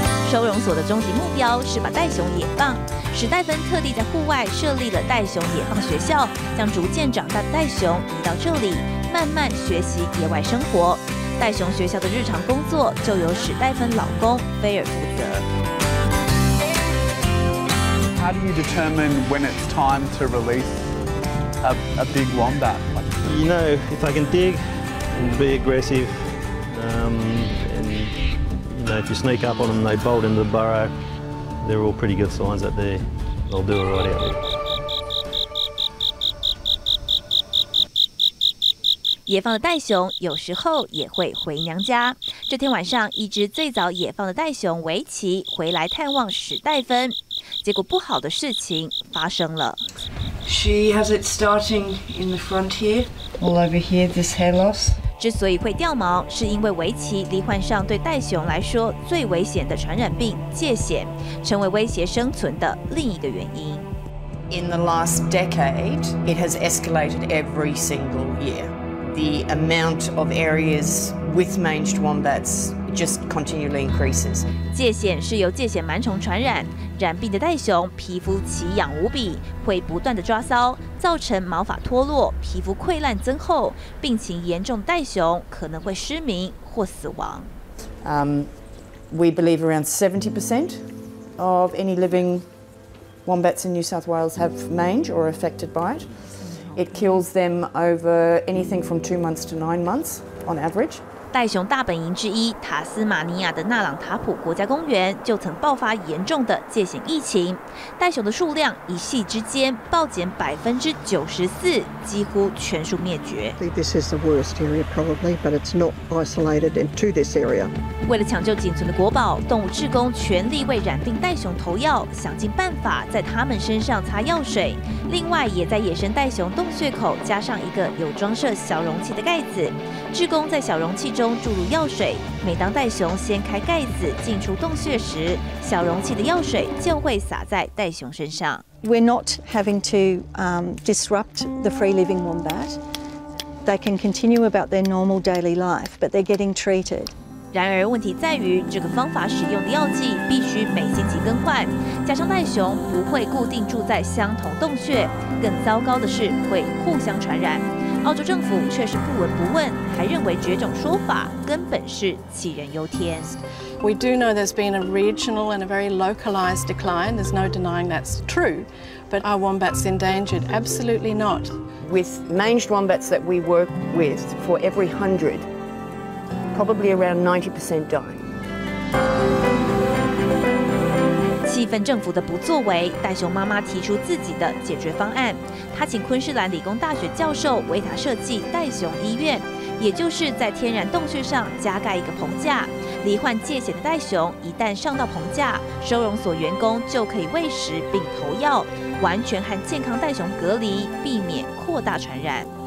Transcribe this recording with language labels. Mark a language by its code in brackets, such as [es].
[zh] 收容所的终极目标是把袋熊野放。史黛芬特地在户外设立了袋熊野放学校，将逐渐长大的袋熊移到这里，慢慢学习野外生活。袋熊学校的日常工作就由史黛芬老公菲尔负责。 [en] How do you determine when it's time to release a big wombat? You know, if I can dig and be aggressive, and you know, if you sneak up on them, they bolt into the burrow, they're all pretty good signs that they'll do it right out there. [zh] 野放的袋熊有时候也会回娘家。这天晚上，一只最早野放的袋熊维奇回来探望史黛芬，结果不好的事情发生了。 [en] She has it starting in the front here, all over here. This hair loss. [zh] 之所以会掉毛，是因为维奇罹患上对袋熊来说最危险的传染病疥癣，成为威胁生存的另一个原因。 [en] In the last decade, it has escalated every single year.The amount of areas with manged wombats just continually increases. [zh] 疥藓是由疥藓螨虫传染，染病的袋熊皮肤奇痒无比，会不断的抓搔，造成毛发脱落、皮肤溃烂增厚，病情严重的袋熊可能会失明或死亡。 [en] We believe around 70% of any living wombats in New South Wales have mange or are affected by it. It kills them over anything from 2 months to 9 months on average. [zh] 袋熊大本营之一塔斯马尼亚的纳朗塔普国家公园就曾爆发严重的疥藓疫情，袋熊的数量一夕之间暴减94%，几乎全数灭绝。 [en] This is the worst area probably, but it's not isolated into this area. [zh] 为了抢救仅存的国宝，动物志工全力为染病袋熊投药，想尽办法在它们身上擦药水，另外也在野生袋熊洞穴口加上一个有装设小容器的盖子。志工在小容器中注入药水，每当袋熊掀开盖子进出洞穴时，小容器的药水就会洒在袋熊身上。 [en] We're not having to disrupt the free living wombat. They can continue about their normal daily life, but they're getting treated. [zh] 然而问题在于，这个方法使用的药剂必须每星期更换，加上袋熊不会固定住在相同洞穴，更糟糕的是会互相传染。澳洲政府却是不闻不问，还认为绝种说法根本是杞人忧天。 [en] We do know there's been a regional and a very localized decline. There's no denying that's true. But are wombats endangered? Absolutely not. With manged wombats that we work with, for every 100, probably around 90% die. [zh] 气愤政府的不作为，袋熊妈妈提出自己的解决方案。她请昆士兰理工大学教授为她设计袋熊医院，也就是在天然洞穴上加盖一个棚架。罹患疥藓的袋熊一旦上到棚架，收容所员工就可以喂食并投药，完全和健康袋熊隔离，避免扩大传染。